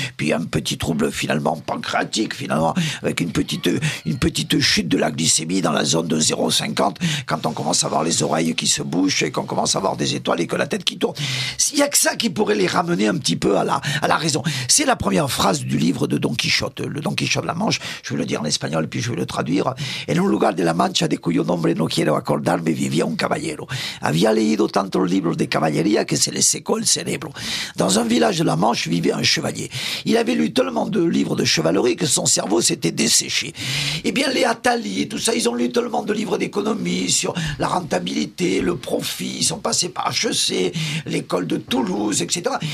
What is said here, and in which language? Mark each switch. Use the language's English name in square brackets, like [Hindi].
[French] Puis un petit trouble, finalement, pancréatique, finalement, avec une petite chute de la glycémie dans la zone de 0,50, quand on commence à avoir les oreilles qui se bouchent et qu'on commence à avoir des étoiles et que la tête qui tourne. Il n'y a que ça qui pourrait les ramener un petit peu à la raison. C'est la première phrase du livre de Don Quichotte, le Don Quichotte de la Manche. Je vais le dire en espagnol, puis je vais le traduire. [Spanish] En un lugar de la Mancha de cuyo nombre no quiero acordarme vivía un caballero. Había leído tanto el libro de caballería que se le secó el cerebro. [French] Dans un village de la Manche vivait un chevalier. Il avait lu tellement de livres de chevalerie que son cerveau s'était desséché. Eh bien, les Attali et tout ça, ils ont lu tellement de livres d'économie sur la rentabilité, le profit, ils sont passés par HEC, l'école de Toulouse, etc.